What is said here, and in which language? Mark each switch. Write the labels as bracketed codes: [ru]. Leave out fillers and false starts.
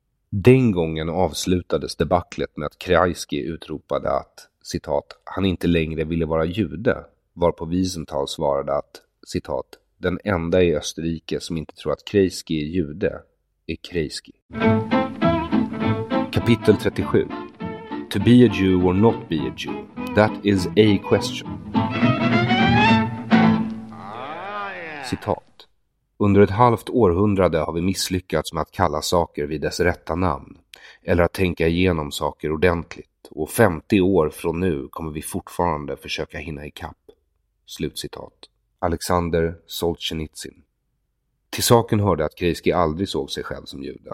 [sv] Den gången avslutades debaclet med att Kreisky utropade att, citat, han inte längre ville vara jude. Varpå Wiesenthal svarade att, citat, den enda i Österrike som inte tror att Kreisky är jude är Kreisky. Kapitel 37. [en] To be a Jew or not be a Jew, that is a question. [sv] Citat. Under ett halvt århundrade har vi misslyckats med att kalla saker vid dess rätta namn. Eller att tänka igenom saker ordentligt. Och 50 år från nu kommer vi fortfarande försöka hinna ikapp. Slutcitat. Alexander Solzhenitsyn. Till saken hörde att Kreisky aldrig såg sig själv som jude.